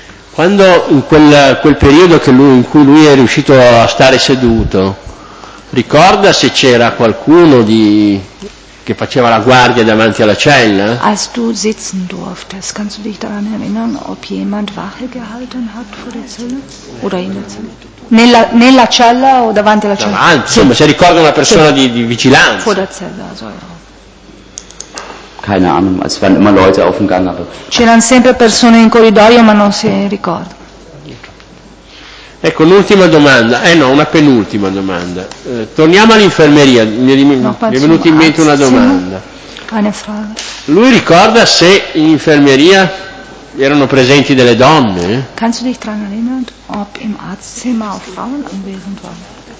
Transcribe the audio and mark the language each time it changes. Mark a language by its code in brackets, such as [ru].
[it] Quando in quel periodo in cui lui è riuscito a stare seduto, ricorda se c'era qualcuno che faceva la guardia davanti alla cella? [de] Als du sitzen durftest, kannst du dich daran erinnern, ob jemand Wache gehalten hat vor der Zelle? Oder in der Zelle? [it] Nella cella o davanti alla cella? Davanti, insomma, sì. Se ricorda una persona, sì. di vigilanza. [de] Vor der Zelle, also ja. Keine Ahnung, es waren immer Leute auf dem Gang, aber... [it] C'erano sempre persone in corridoio, ma non si ricorda. Ecco, l'ultima domanda, una penultima domanda. Torniamo all'infermeria, mi è venuta in mente una domanda. Lui ricorda se in infermeria erano presenti delle donne? [de] Kannst du dich daran erinnern, ob im Arztzimmer auch Frauen anwesend waren?